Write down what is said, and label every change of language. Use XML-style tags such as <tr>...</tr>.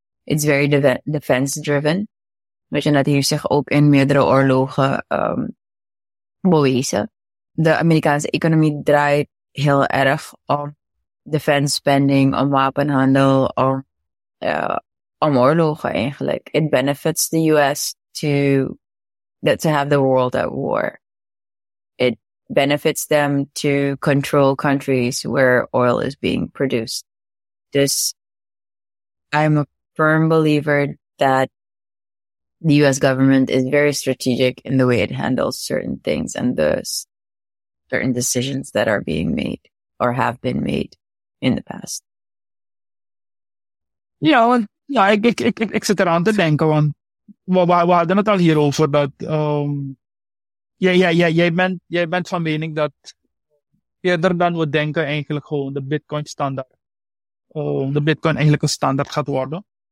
<en>It's very defense driven.</en> <nl>Weet je, dat heeft zich ook in meerdere oorlogen bewezen. De Amerikaanse economie draait heel erg om defense spending, om wapenhandel, om oorlogen eigenlijk.</nl> <en>It benefits the US to have the world at war. It benefits them to control countries where oil is being produced. Dus I'm a firm believer that the US government is very strategic in the way it handles certain things and the certain decisions that are being made or have been made in the past.</en> <nl>Ja, want ja, ik zit eraan te denken, want we hadden het al hierover dat jij bent van mening dat eerder dan we denken eigenlijk gewoon de Bitcoin eigenlijk een standaard gaat worden.</nl>